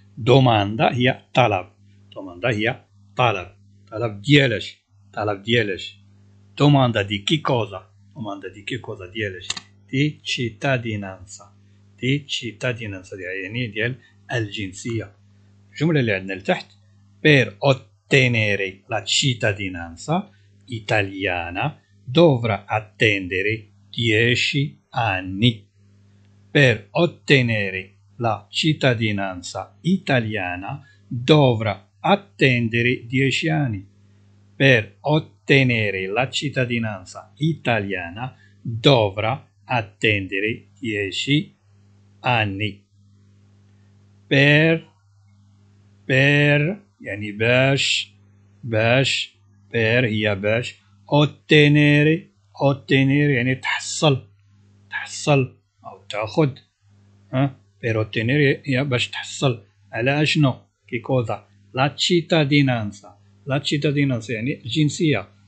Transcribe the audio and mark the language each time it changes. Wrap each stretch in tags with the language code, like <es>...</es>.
<ar>دوماندا هي طلب, دوماندا هي طلب, طلب ديالاش, طلب ديالاش. دوماندا</ar> <it>دي كي كوزا,</it> <ar>دوماندا دي كي كوزا ديالاش دي تشيتادينانسا, دي تشيتادينانسا يعني ديال الجنسية. الجملة اللي عندنا لتحت,</ar> <it>بير ottenere la cittadinanza italiana dovrà attendere 10 anni. Per ottenere la cittadinanza italiana dovrà attendere 10 anni. Per ottenere la cittadinanza italiana dovrà attendere 10 anni.</it> <ar>Per يعني باش, باش</ar> <it>بير</it> <ar>هي باش,</ar> <it>اوتينيري, اوتينيري</it> <ar>يعني تحصل, تحصل او تاخد. ها</ar> <it>بير اوتينيري</it> <ar>هي باش تحصل على شنو؟</ar> <it>كي كوزا لا تشيتادينانسا, لا تشيتادينانسا</it> <ar>يعني الجنسية.</ar>